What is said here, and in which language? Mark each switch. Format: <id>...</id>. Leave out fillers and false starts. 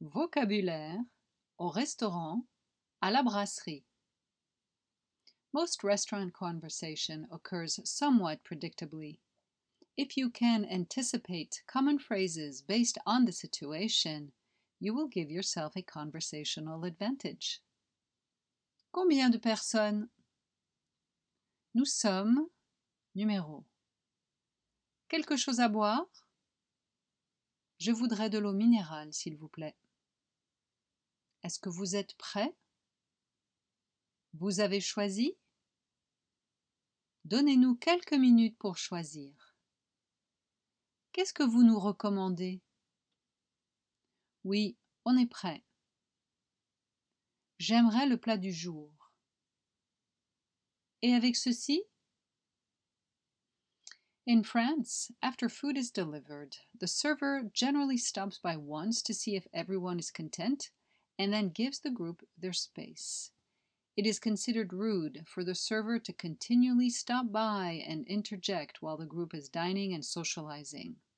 <fr>Vocabulaire, au restaurant, à la brasserie.</fr> <en>Most restaurant conversation occurs somewhat predictably. If you can anticipate common phrases based on the situation, you will give yourself a conversational advantage.</en> <fr>Combien de personnes? Nous sommes numéro. Quelque chose à boire? Je voudrais de l'eau minérale, s'il vous plaît. Est-ce que vous êtes prêt? Vous avez choisi? Donnez-nous quelques minutes pour choisir. Qu'est-ce que vous nous recommandez? Oui, on est prêt. J'aimerais le plat du jour. Et avec ceci?</fr> <en>In France, after food is delivered, the server generally stops by once to see if everyone is content and then gives the group their space. It is considered rude for the server to continually stop by and interject while the group is dining and socializing.</en>